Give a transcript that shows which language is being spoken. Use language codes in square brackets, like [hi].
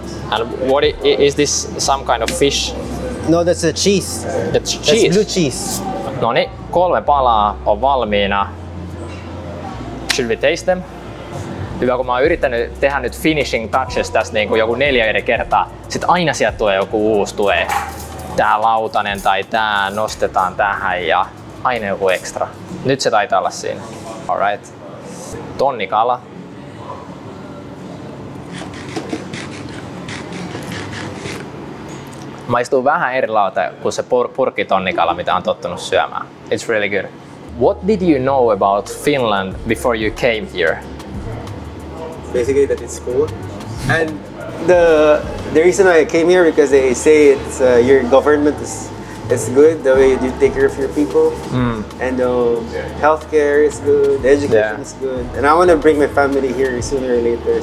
[en] And what is this some kind of fish? No, that's a cheese. That's cheese. That's blue cheese. [fi] No niin, kolme palaa on valmiina. [en] Should we taste them? [fi] Hyvä, kun mä oon yrittänyt tehdä nyt [en] finishing touches [fi] tässä niin kuin joku 4 eri kertaa. Sitten aina sieltä tulee joku uusi, tulee tää lautanen tai tää nostetaan tähän ja aina joku ekstra. Nyt se taitaa olla siinä. Alright. Tonnikala. Maistuu vähän eri lauta kuin se purkkitonnikala, mitä on tottunut syömään. [en] It's really good. What did you know about Finland before you came here? Basically that it's cool. And the reason I came here because they say it's your government is... It's good the way you take care of your people, and healthcare is good, education is good, and I want to bring my family here sooner or later.